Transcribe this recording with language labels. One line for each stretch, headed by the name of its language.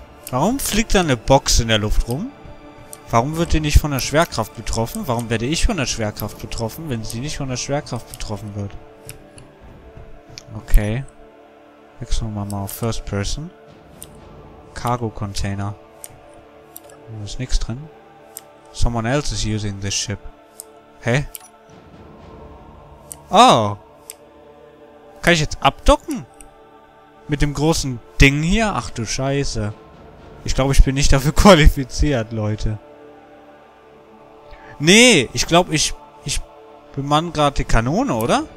German: Warum fliegt da eine Box in der Luft rum? Warum wird die nicht von der Schwerkraft betroffen? Warum werde ich von der Schwerkraft betroffen, wenn sie nicht von der Schwerkraft betroffen wird? Okay. Wechseln wir mal auf First Person. Cargo Container. Da ist nichts drin.
English: Someone else is using this ship. Hä? Oh!
German: Kann ich jetzt abdocken? Mit dem großen Ding hier? Ach du Scheiße. Ich glaube, ich bin nicht dafür qualifiziert, Leute. Nee, ich glaube, ich bemann gerade die Kanone, oder?